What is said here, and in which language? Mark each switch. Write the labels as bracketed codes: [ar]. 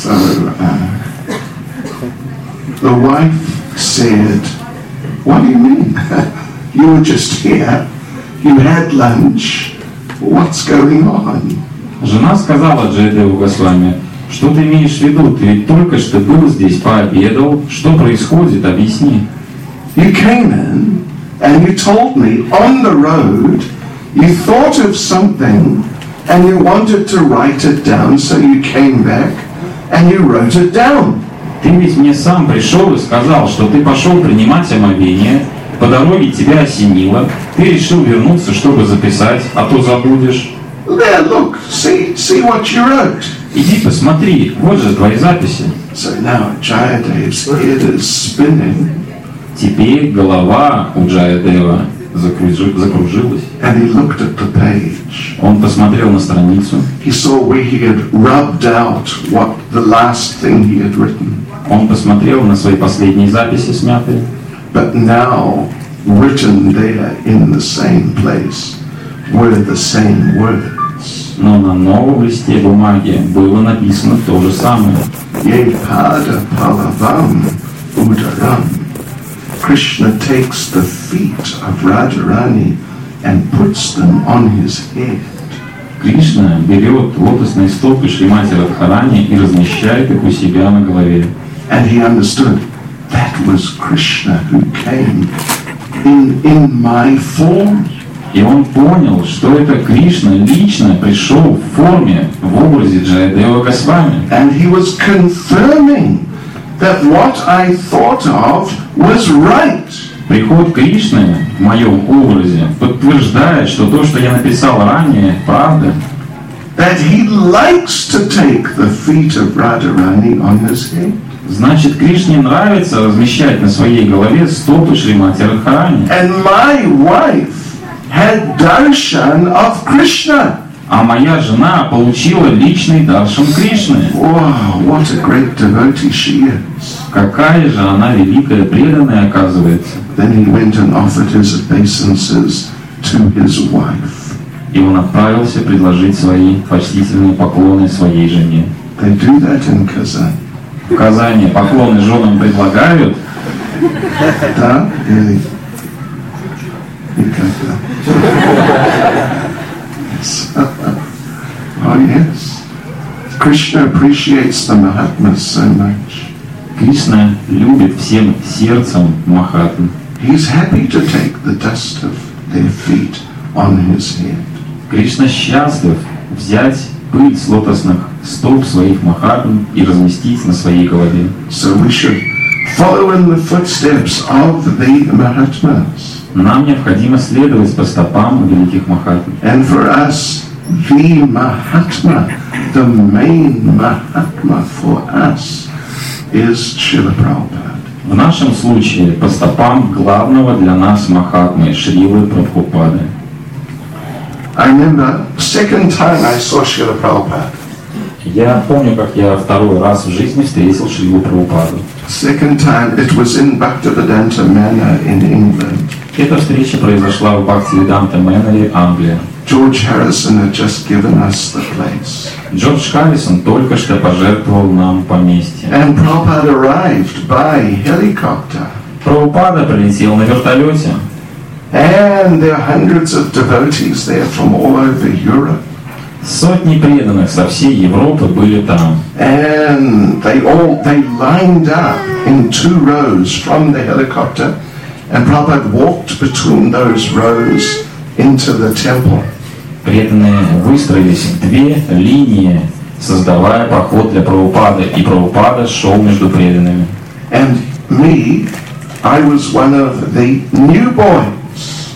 [en] The wife said, "What do you mean? You were just here. You had lunch. What's going on?" [ru] Жена сказала Джейдеву Госвами: "Что ты имеешь в виду? Ты ведь только что был здесь, пообедал. Что происходит? Объясни." [en] "You came in and you told me on the road you thought of something and you wanted to write it down, so you came back and you wrote it down." [ru] Ты ведь мне сам пришел и сказал, что ты пошел принимать омовение, по дороге тебя осенило, ты решил вернуться, чтобы записать, а то забудешь. [en] There, look, see what you wrote. [ru] Иди посмотри, вот же твои записи. [en] So now Jayadev's head is spinning. [ru] Теперь голова у Jayadeva закружилась. [en] And he looked at the page. [ru] Он посмотрел на страницу. [en] He saw where he had rubbed out what the last thing he had written. [ru] Он посмотрел на свои последние записи, смятые. [en] But now written there in the same place were the same words. [ru] Но на новом листе бумаги было написано то же самое. Yepada Palavam Udaram. [en] Krishna takes the feet of Radharani and puts them on his head. [ru] Кришна берет лотосные стопы Шримати Радхарани и размещает их у себя на голове. [en] And he understood that was Krishna who came in my form. [ru] И он понял, что это Кришна лично пришел в форме, в образе Джаядева Госвами. [en] And he was confirming that what I thought of was right. [ru] Приход Кришны в моем образе подтверждает, что то, что я написал ранее, правда. [en] That he likes to take the feet of Radharani on his head. [ru] Значит, Кришне нравится размещать на своей голове стопы Шримати Радхарани. [en] And my wife had darshan of Krishna. [ru] А моя жена получила личный даршан Кришны. [en] Wow, what a great devotee she is. [ru] Какая же она великая преданная оказывается. [en] Then he went and offered his obeisances to his wife. [ru] И он отправился предложить свои почтительные поклоны своей жене. [en] They do that in Kazan. [ru] В Казани поклоны женам предлагают. Да, или никогда. [en] Oh yes. Krishna appreciates the Mahatmas so much. [ru] Кришна любит всем сердцем Махатм. [en] He's happy to take the dust of their feet on his head. [ru] Кришна счастлив взять пыль с лотосных стоп своих Махатм и разместить на своей голове. [en] So we should follow in the footsteps of the Mahatmas. [ru] Нам необходимо следовать по стопам великих Махатм. [en] And for us, the Mahatma, the main Mahatma for us, is Srila Prabhupada. [ru] В нашем случае по стопам главного для нас Махатмы Шрилы Прабхупады. [en] I remember second time I saw Srila Prabhupada. [ru] Я помню, как я второй раз в жизни встретил Шрилу Прабхупаду. [en] Second time it was in Bhaktivedanta Manor in England. [ru] Эта встреча произошла в Бхактивиданта Мэннере, Англия. [en] George Harrison had just given us the place. [ru] Джордж Харрисон только что пожертвовал нам поместье. [en] And Prabhupada arrived by helicopter. [ru] Прабхупада прилетел на вертолете. [en] And there are hundreds of devotees there from all over Europe. [ru] Сотни преданных со всей Европы были там. [en] And they lined up in two rows from the helicopter, and Prabhupada walked between those rows into the temple. [ru] Преданные выстроились в две линии, создавая проход для Прабхупады, и Прабхупада шел между преданными. [en] And me, I was one of the new boys.